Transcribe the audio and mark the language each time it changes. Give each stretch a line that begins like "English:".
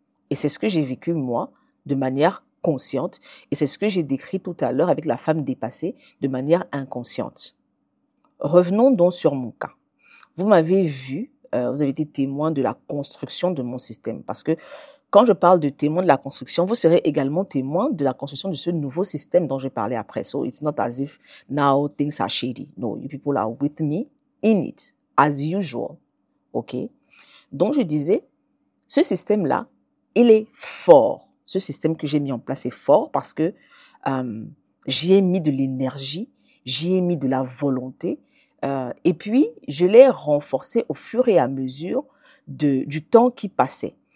French: Et c'est ce que j'ai vécu, moi, de manière consciente, et c'est ce que j'ai décrit tout à l'heure avec la femme dépassée, de manière inconsciente. Revenons donc sur mon cas. Vous m'avez vu, vous avez été témoin de la construction de mon système, parce que quand je parle de témoin de la construction, vous serez également témoin de la construction de ce nouveau système dont je vais parler après.
English: So, it's not as if now things are shady. No, you people are with me in it, as usual. OK?
French: Donc, je disais, ce système-là, il est fort. Ce système que j'ai mis en place est fort parce que j'y ai mis de l'énergie, j'y ai mis de la volonté. Et puis, je l'ai renforcé au fur et à mesure du temps qui passait.